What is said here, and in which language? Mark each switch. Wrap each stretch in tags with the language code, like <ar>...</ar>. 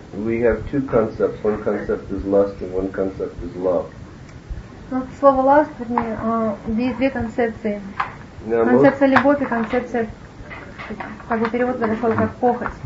<en>We have two concepts. One concept is lust and one concept is love.</en> <ru>Слово «ласт», вернее, есть две концепции.</ru> <en>Now</en> <ru>концепция</ru> <en>most,</en> <ru>«любовь» и концепция, как бы перевод этого слова, как «похоть».</ru>